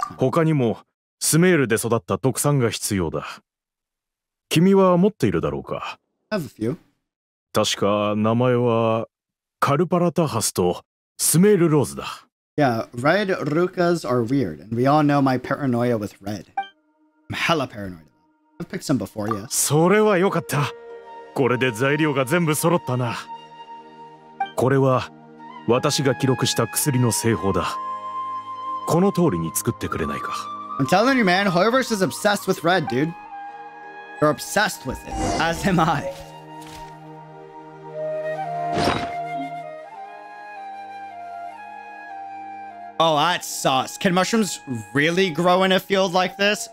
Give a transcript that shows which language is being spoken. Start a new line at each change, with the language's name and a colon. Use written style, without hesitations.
Japanese: 他にもスメールで育った特産が必要だ。君は持っているだろうか。
English: I have a few.
Japanese: 確か名前はカルパラタハスとスメールローズだ。
English: Yeah, red rukas are weird, and we all know my paranoia with red. I'm hella paranoid. I've picked some before, yes.
Japanese: それはよかった。これで材料が全部揃ったな。これは私が記録した薬の製法だ。この通りに作ってくれないか。
English: I'm telling you, man, Hoiverse is obsessed with red, dude. You're obsessed with it, as am I. Oh, that's sus. Can mushrooms really grow in a field like this?